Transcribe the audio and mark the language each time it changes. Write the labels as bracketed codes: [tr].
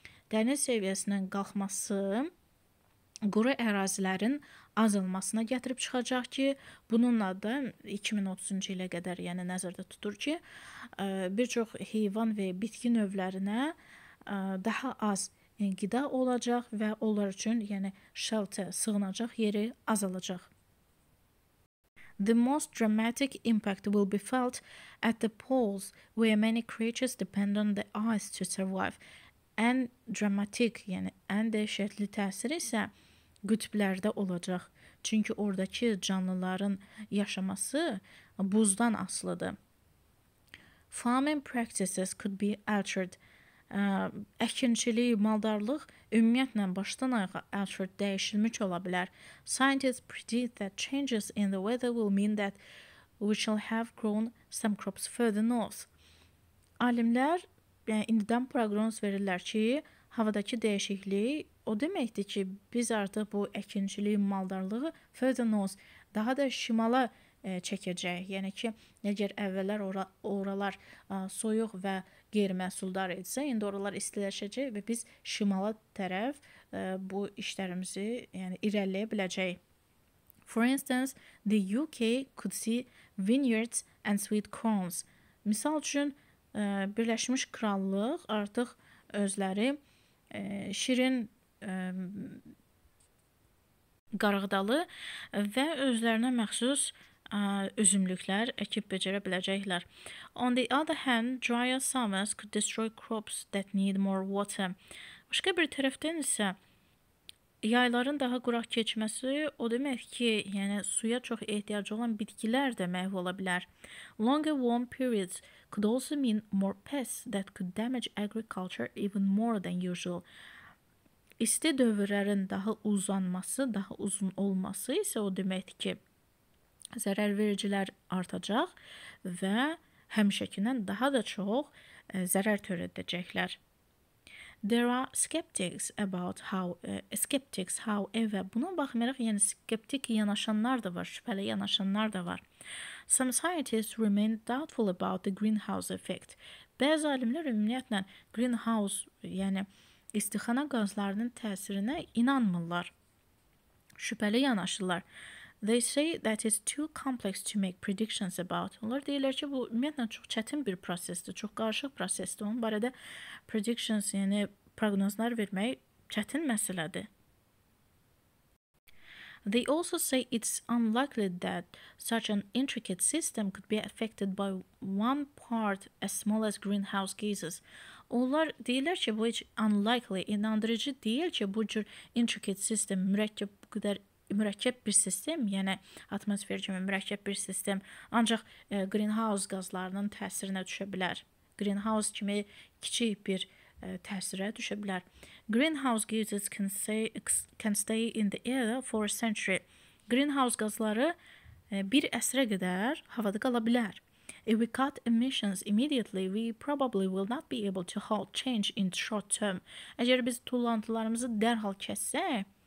[az] Dəniz səviyyəsinin qalxması quru ərazilərin azalmasına gətirib çıxacaq ki, bununla da 2030-cu ilə qədər, yəni nəzərdə tutur ki, bir çox heyvan və bitki növlərinə daha az qida olacaq və onlar üçün, yəni shelter, sığınacaq yeri azalacaq. [en] The most dramatic impact will be felt at the poles where many creatures depend on the ice to survive. [az] Ən dramatik, yəni ən dəhşətli təsir isə qütblərdə olacaq. Çünki oradakı canlıların yaşaması buzdan asılıdır. [en] Farming practices could be altered. [az] Əkinçilik, maldarlıq ümumiyyətlə başdan ayağa altered, dəyişilmiş ola bilər. [en] Scientists predict that changes in the weather will mean that we shall have grown some crops further north. [az] Alimlər yəni indidən proqnoz verirlər ki, havadakı dəyişiklik o deməkdir ki, biz artıq bu əkinçilik, maldarlığı [en] further north, [az] daha da şimala çəkəcək. Yəni ki, əgər əvvəllər oralar soyuq və qeyri-məhsuldar idisə, indi oralar istiləşəcək və biz şimala tərəf bu işlərimizi yəni irəliləyə biləcək. [en] For instance, the UK could see vineyards and sweet corns. [az] Misal üçün, Birləşmiş Krallıq artıq özləri şirin qarğıdalı və özlərinə məxsus üzümlüklər əkib becərə biləcəklər. [en] On the other hand, drier summers could destroy crops that need more water. [az] Başqa bir tərəfdən isə yayların daha quraq keçməsi o demək ki, yəni suya çox ehtiyacı olan bitkilər də məhv ola bilər. [en] Longer warm periods could also mean more pests that could damage agriculture even more than usual. [az] İsti dövrlərin daha uzanması, daha uzun olması isə o deməkdir ki, zərər vericilər artacaq və həmişəkindən daha da çox zərər törədəcəklər. [en] There are skeptics about how skeptics however, [az] buna baxmayaraq yəni skeptik yanaşanlar da var, şübhəli yanaşanlar da var. [en] Some scientists remain doubtful about the greenhouse effect. [az] Bəzi alimlər ümumiyyətlə greenhouse, yəni istixana qazlarının təsirinə inanmırlar. Şübhəli yanaşırlar. [en] They say that it's too complex to make predictions about. [az] Onlar deyirlər ki, bu ümumiyyətlə çox çətin bir prosesdir, çox qarışıq prosesdir. Onun barədə predictions, yəni proqnozlar vermək çətin məsələdir. [en] They also say it's unlikely that such an intricate system could be affected by one part as small as greenhouse gases. [az] Onlar deyirlər ki, bu heç unlikely, inandırıcı deyil ki, bu cür [en] intricate system, [az] mürəkkəb bir sistem, yəni atmosfer kimi mürəkkəb bir sistem ancaq greenhouse qazlarının təsirinə düşə bilər. Greenhouse kimi kiçik bir təsirə düşə bilər. [en] Greenhouse gases can stay in the air for a century. [az] Greenhouse qazları bir əsrə qədər havada qala bilər. [en] If we cut emissions immediately, we probably will not be able to halt change in the short term. [az] Əgər biz tullantılarımızı dərhal kəssək,